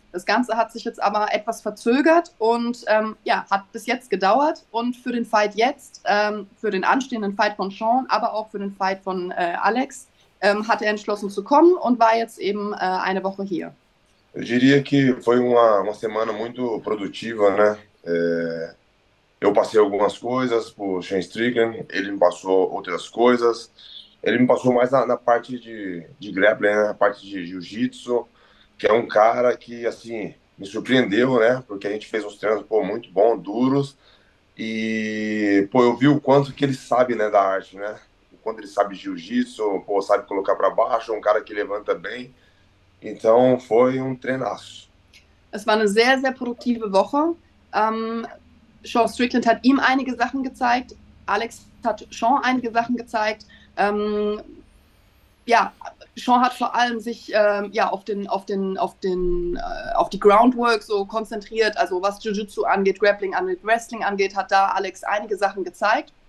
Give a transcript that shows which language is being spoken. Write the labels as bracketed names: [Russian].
[German] Das Ganze hat sich jetzt aber etwas verzögert und ja, hat bis jetzt gedauert. Und für den Fight jetzt, für den anstehenden Fight von Sean, aber auch für den Fight von Alex, hat er entschlossen zu kommen und war jetzt eben eine Woche hier. [Portuguese] Eu diria que foi uma semana muito produtiva, né? Eu passei algumas coisas pro Shane Strickland, ele me passou outras coisas. Ele me passou mais na parte de grappling, né? Na parte de jiu-jitsu, que é um cara que, assim, me surpreendeu, né? Porque a gente fez uns treinos, pô, muito bons, duros. E, pô, eu vi o quanto que ele sabe, né, da arte, né? O quanto ele sabe jiu-jitsu, pô, sabe colocar para baixo, um cara que levanta bem. Então foi um treinaço. [German] Es war eine sehr, sehr produktive Woche. Sean Strickland hat ihm einige Sachen gezeigt. Alex hat Sean einige Sachen gezeigt. Ja, Sean hat vor allem sich ja, auf die Groundwork so konzentriert, also was Jiu-Jitsu angeht, Grappling angeht, Wrestling angeht, hat da Alex einige Sachen gezeigt.